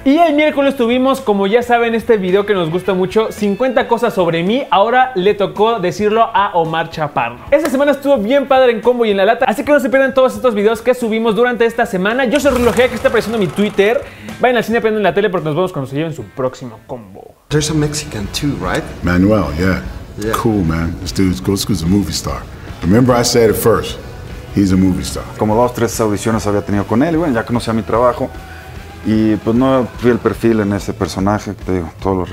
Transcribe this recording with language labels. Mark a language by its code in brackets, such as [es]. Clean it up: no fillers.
[es] Y el miércoles tuvimos, como ya saben, este video que nos gusta mucho, 50 cosas sobre mí. Ahora le tocó decirlo a Omar Chaparro. Esta semana estuvo bien padre en Combo y en La Lata, así que no se pierdan todos estos videos que subimos durante esta semana. Yo soy Rulo G, que está apareciendo en mi Twitter. Vayan al cine, prendan la tele, porque nos vemos cuando se lleven su próximo combo. [en] There's a Mexican too, right? Manuel, yeah. Yeah. Cool, man. This dude's a movie star. Remember I said it first. He's a movie star. [es] Como 2 o 3 audiciones había tenido con él, y bueno, ya conocía mi trabajo. Y pues no fui el perfil en ese personaje, te digo, todos los